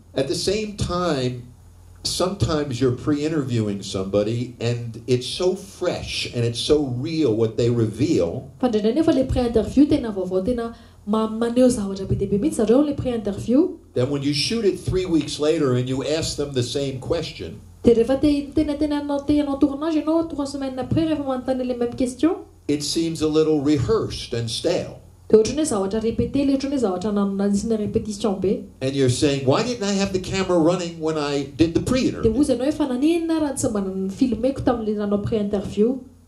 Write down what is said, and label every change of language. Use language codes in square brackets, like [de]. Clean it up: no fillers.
[en] At the same time, sometimes you're pre-interviewing somebody and it's so fresh and it's so real what they reveal. Then when you shoot it 3 weeks later and you ask them the same question, [fr] tu reviens, tu es en tournage, et non, 3 semaines après, tu reviens à me poser les mêmes questions. [en] it seems a little rehearsed and stale. And you're saying, why didn't I have the camera running when I did the pre-interview?